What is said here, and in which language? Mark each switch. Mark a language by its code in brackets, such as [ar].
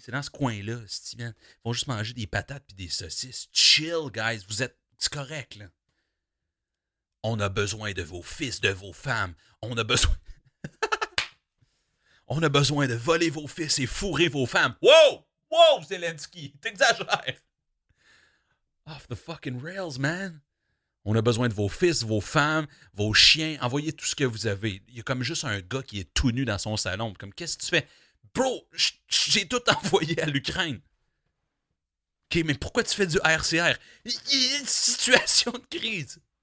[fr] C'est dans ce coin-là, est-ce qu'ils vont juste manger des patates et des saucisses. [en] Chill, guys, [fr] vous êtes correct, là. On a besoin de vos fils, de vos femmes. On a besoin de voler vos fils et fourrer vos femmes. Wow! Wow, Zelensky, t'exagères! [en] Off the fucking rails, man. [fr] On a besoin de vos fils, vos femmes, vos chiens. Envoyez tout ce que vous avez. Il y a comme juste un gars qui est tout nu dans son salon. Comme, qu'est-ce que tu fais? Bro, j'ai tout envoyé à l'Ukraine. OK, mais pourquoi tu fais du RCR? Il y a une situation de crise.